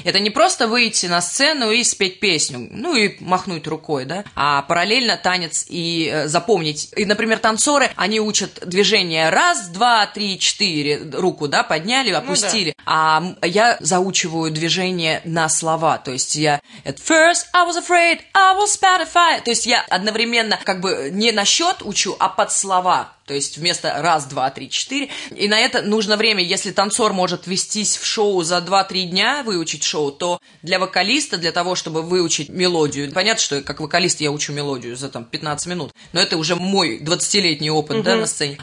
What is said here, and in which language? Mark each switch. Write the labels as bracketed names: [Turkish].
[Russian] Это не просто выйти на сцену и спеть песню, ну и махнуть рукой, да, а параллельно танец и запомнить. И, например, танцоры, они учат движение 1, 2, 3, 4, руку, да, подняли, опустили. Ну, да. А я заучиваю движение на слова. То есть я [English] at first I was afraid, I was petrified. [Russian] То есть я одновременно как бы не на счет учу, а под слова. То есть вместо 1, 2, 3, 4. И на это нужно время. Если танцор может вестись в шоу за 2-3 дня, выучить шоу, то для вокалиста, для того, чтобы выучить мелодию, понятно, что как вокалист я учу мелодию за там 15 минут, но это уже мой 20-летний опыт, да, на сцене.